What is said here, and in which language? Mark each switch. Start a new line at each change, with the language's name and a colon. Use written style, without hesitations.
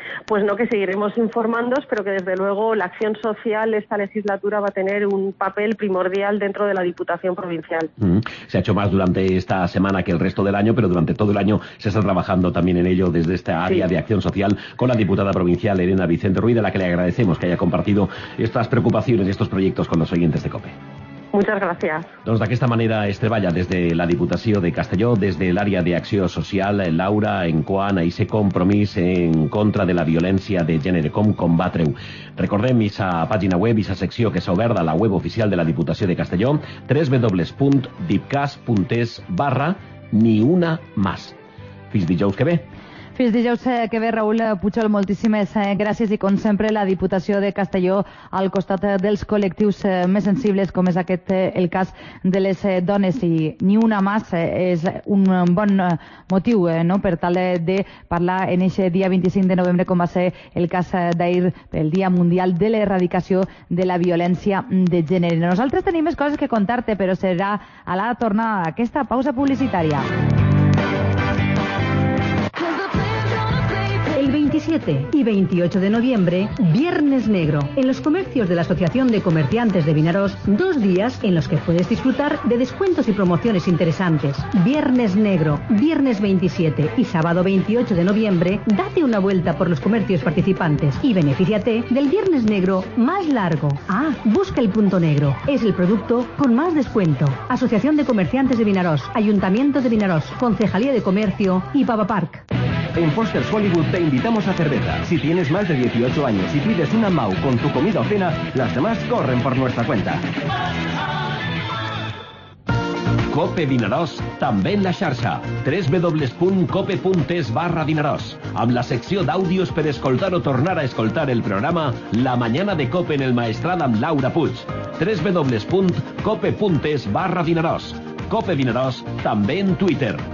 Spanish: Pues no, que seguiremos informándoos, pero que desde luego la acción social esta legislatura va a tener un papel primordial dentro de la Diputación Provincial. Se ha hecho más durante esta semana que el resto del año, pero durante todo el año se está trabajando también en ello desde esta área, sí, de acción social, con la diputada provincial Elena Vicente Ruiz, a la que le agradecemos que haya compartido estas preocupaciones y estos proyectos con los oyentes de COPE. Muchas gracias.
Catalan: Doncs d'aquesta manera, Estreballa, des de la Diputació de Castelló, des de l'àrea d'acció social, Laura, en quant a ese compromís en contra de la violència de gènere, com combatre-ho. Recordem esa pàgina web i esa secció que s'ha obert a la web oficial de la Diputació de Castelló, www.dipcas.es/ni una más. Fins dijous que ve. Fins dijous que ve, Raül Pujol, moltíssimes gràcies. I com sempre, la Diputació de Castelló al costat dels col·lectius més sensibles, com és aquest el cas de les dones. I ni una massa és un bon motiu, no?, per tal de parlar en aquest dia 25 de novembre, com va ser el cas d'ahir, el Dia Mundial de l'Erradicació de la Violència de Gènere. Nosaltres tenim més coses que contar-te, però serà a la tornada aquesta pausa publicitària.
Spanish: El 27 y 28 de noviembre, Viernes Negro, en los comercios de la Asociación de Comerciantes de Vinaros, dos días en los que puedes disfrutar de descuentos y promociones interesantes. Viernes Negro, viernes 27 y sábado 28 de noviembre, date una vuelta por los comercios participantes y benefíciate del Viernes Negro más largo. Ah, busca el punto negro, es el producto con más descuento. Asociación de Comerciantes de Vinaros, Ayuntamiento de Vinaros, Concejalía de Comercio y Pava Park. En Foster's Hollywood te invitamos a cerveza. Si tienes más de 18 años y pides una MAU con tu comida o cena, las demás corren por nuestra cuenta.
Catalan: Cope Vinaròs, també en la xarxa. www.cope.es/Vinaròs. Amb la secció d'àudios per escoltar o tornar a escoltar el programa La Mañana de Cope en el Maestrat amb Laura Puig. www.cope.es/Vinaròs. Cope Vinaròs, també en Twitter.